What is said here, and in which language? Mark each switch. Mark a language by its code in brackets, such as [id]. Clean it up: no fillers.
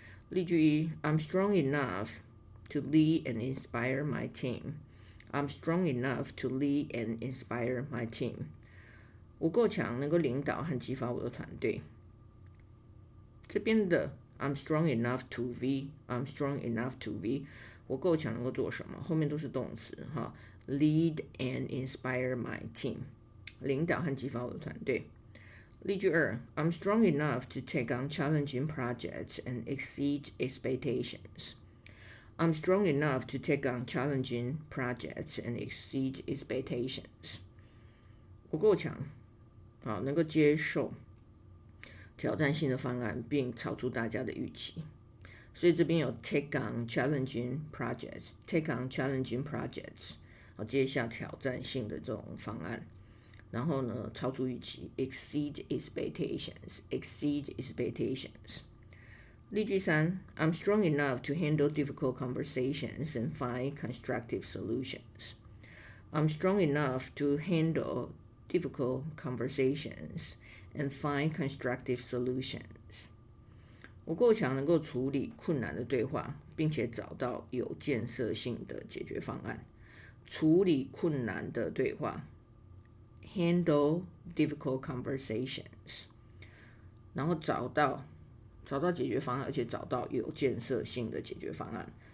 [zh] 例句一 [en] ,I'm strong enough,to lead and inspire my team. I'm strong enough to lead and inspire my team. [zh] 我够强能够领导和激发我的团队。这边的 [en] I'm strong enough to be, [zh] I'm strong enough to be, 我够强能够做什么后面都是动词。 [en] Lead and inspire my team. [zh] 领导和激发我的团队。例句二 [en] I'm strong enough to take on challenging projects and exceed expectations. I'm strong enough to take on challenging projects and exceed expectations. [zh] 我够强，能够接受挑战性的方案，并超出大家的预期。所以这边有 [en] take on challenging projects, [zh] take on challenging projects, 接下挑战性的这种方案，然后呢，超出预期 [en] exceed expectations, exceed expectations. [zh] 例句三 [en] I'm strong enough to handle difficult conversations and find constructive solutions. I'm strong enough to handle difficult conversations and find constructive solutions. [zh] 我够强能够处理困难的对话，并且找到有建设性的解决方案。处理困难的对话 [en] handle difficult conversations. [zh] 然后找到解决方案，而且找到有建设性的解决方案。